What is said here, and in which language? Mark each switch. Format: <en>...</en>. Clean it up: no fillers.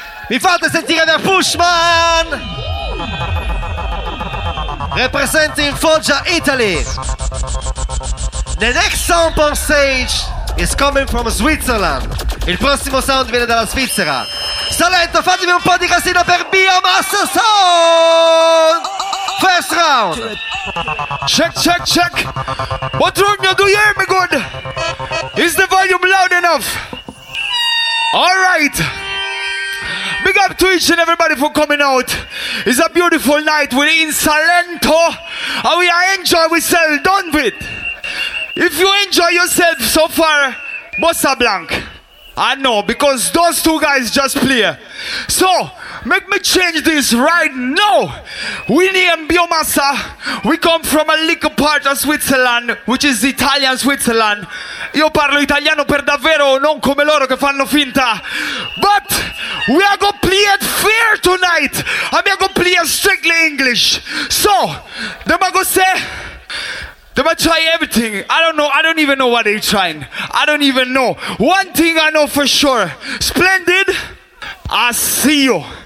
<it>Mi fate sentire da Pushman.</it> <en>Representing Foggia, Italy. The next sound on stage is coming from Switzerland.</en> <it>Il prossimo sound viene dalla Svizzera. Salento, fatemi un po' di casino per Biomassa Sound.</it> <en>First round. Check, check, check. Botrugno, do you hear me good? Is the volume loud enough? All right. Big up to each and everybody for coming out. It's a beautiful night. We're in Salento. And we enjoy ourselves, don't we? If you enjoy yourself so far, Bossa Blanc. I know, because those two guys just play. So, make me change this right now. We name Biomassa. We come from a little part of Switzerland, which is Italian Switzerland.</en> <it>Io parlo italiano per davvero, non come loro che fanno finta.</it> <en>But we are going to play it fair tonight. And we are going to play it strictly English. So, dem a go say... They might try everything. I don't know. I don't even know what they're trying. I don't even know. One thing I know for sure. Splendid. I see you.</en>